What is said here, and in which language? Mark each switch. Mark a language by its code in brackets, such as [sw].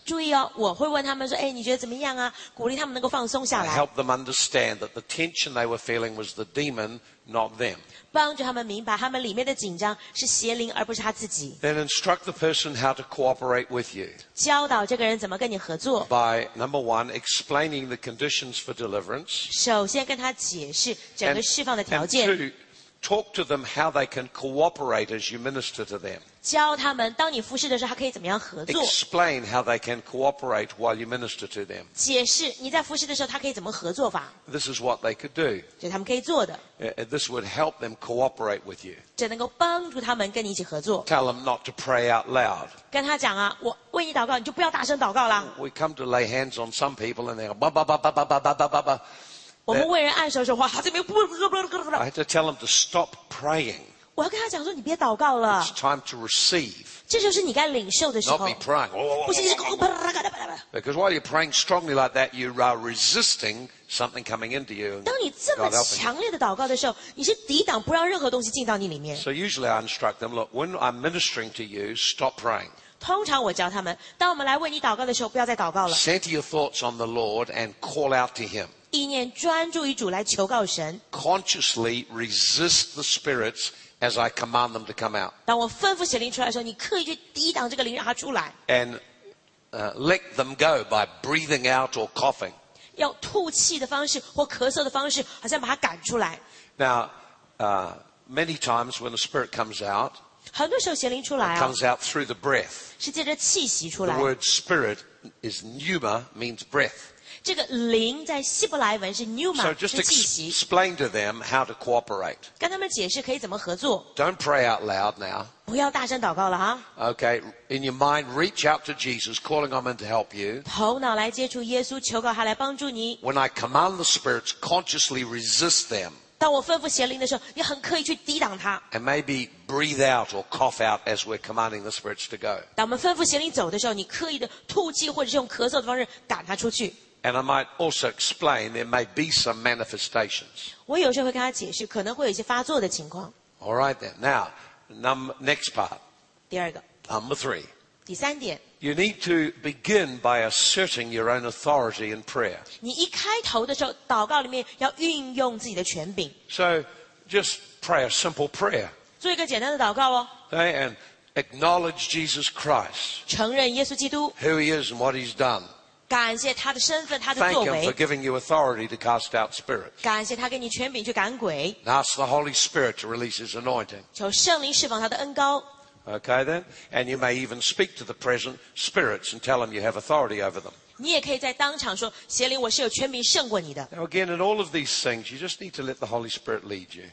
[zh] 注意哦，我会问他们说，哎，你觉得怎么样啊？鼓励他们能够放松下来。 [en] I help them understand that the tension they were feeling was the demon, not them. [zh] 帮助他们明白，他们里面的紧张是邪灵，而不是他自己。 [en] Then instruct the person how to cooperate with you. [zh] 教导这个人怎么跟你合作。 [en] By number one, explaining the conditions for deliverance. [zh] 首先跟他解释整个释放的条件。 [en] And two, talk to them how they can cooperate as you minister to them. [zh] 教他们当你服侍的时候他可以怎么样合作 [en] Explain how they can cooperate while you minister to them. [zh] 解释你在服侍的时候他可以怎么合作法 [en] This is what they could do. [zh] 这是他们可以做的 [en] This would help them cooperate with you. [zh] 这能够帮助他们跟你一起合作 [en] Tell them not to pray out loud. [zh] 跟他讲啊我为你祷告你就不要大声祷告了 [en] We come to lay hands on some people and they go, ba ba ba ba ba ba ba ba ba ba. [zh] 我们为人按手的时候他这边 [en] I had to tell them to stop praying. [zh] 我要跟他讲说你别祷告了 [en] It's time to receive [zh] 这就是你该领受的时候 [en] Not be praying [zh] 不行你是 [en] Because while you're praying strongly like that You are resisting something coming into you [zh] 当你这么强烈的祷告的时候你是抵挡不让任何东西进到你里面 [en] So usually I instruct them Look, when I'm ministering to you Stop praying [zh] 通常我教他们当我们来为你祷告的时候不要再祷告了 [en] Center your thoughts on the Lord And call out to him [zh] 意念专注于主来求告神 [en] Consciously resist the spirits As I command them to come out. [zh] 当我吩咐邪灵出来的时候，你刻意去抵挡这个灵，让它出来。 [en] And let them go by breathing out or coughing. [zh] 用吐气的方式或咳嗽的方式，好像把它赶出来。 [en] Now, many times when a spirit comes out, [zh] 很多时候邪灵出来啊 [en] comes out through the breath. [zh] 是借着气息出来。 [en] The word spirit is pneuma, means breath. [zh] 这个灵在希伯来文是 pneuma 是气息 [en] So just explain to them how to cooperate. [zh] 跟他们解释可以怎么合作 [en] Don't pray out loud now. [zh] 不要大声祷告了啊 [en] Okay, in your mind, reach out to Jesus, calling on him to help you. [zh] 头脑来接触耶稣，求告他来帮助你 [en] When I command the spirits, consciously resist them. [zh] 当我吩咐邪灵的时候，你很刻意去抵挡他 [en] And maybe breathe out or cough out as we're commanding the spirits to go. [zh] 当我们吩咐邪灵走的时候，你刻意的吐气或者是用咳嗽的方式赶他出去。 [en] And I might also explain there may be some manifestations. [zh] 我有时候会跟他解释，可能会有一些发作的情况。 [en] All right then. Now, next part. [zh] 第二个。 [en] Number three. [zh] 第三点。 [en] You need to begin by asserting your own authority in prayer. [zh] 你一开头的时候，祷告里面要运用自己的权柄。 [en] So, just pray a simple prayer. [zh] 做一个简单的祷告哦。 [en] Okay, and acknowledge Jesus Christ. [zh] 承认耶稣基督。 [en] Who he is and what he's done. [zh] 感谢他的身份，他的作为。 [en] Thank him for giving you authority to cast out spirits. [zh] 感谢他给你权柄去赶鬼。 [en] Ask the Holy Spirit to release His anointing. [zh] 求圣灵释放他的恩膏。 [en] Okay then, and you may even speak to the present spirits and tell them you have authority over them. [zh] 你也可以在当场说，邪灵，我是有权柄胜过你的。 [en] Now again, in all of these things, you just need to let the Holy Spirit lead you.